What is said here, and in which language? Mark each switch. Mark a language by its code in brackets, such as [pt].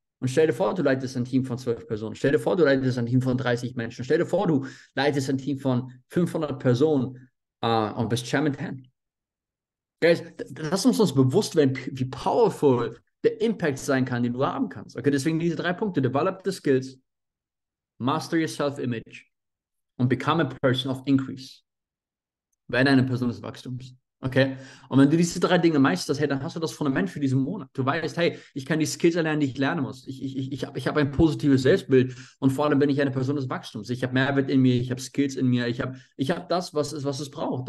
[de] Und stell dir vor, du leitest ein Team von 12 Personen. Stell dir vor, du leitest ein Team von 30 Menschen. Stell dir vor, du leitest ein Team von 500 Personen und bist Chairman 10. Guys, lass uns bewusst werden, wie powerful der Impact sein kann, den du haben kannst. Okay, deswegen diese drei Punkte. [en] Develop the skills, master your self-image und become a person of increase. [de] Wenn eine Person des Wachstums. Okay. Und wenn du diese drei Dinge meisterst, hey, dann hast du das Fundament für diesen Monat. Du weißt, hey, ich kann die Skills erlernen, die ich lernen muss. Ich habe ein positives Selbstbild und vor allem bin ich eine Person des Wachstums. Ich habe Mehrwert in mir, ich habe Skills in mir, ich hab das, was es braucht.